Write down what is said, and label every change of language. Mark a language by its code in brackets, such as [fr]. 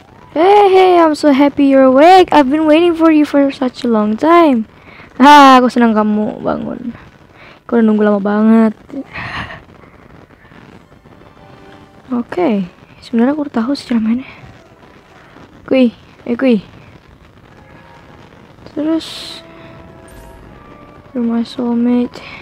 [en] Hey, I'm so happy you're awake. I've been waiting for you for such a long time. [id] Ah, aku senang kamu bangun. Aku udah nunggu lama banget. Oke, okay. Sebenarnya aku udah tahu sih cara mainnya. Kui. Terus, [en] you're my soulmate.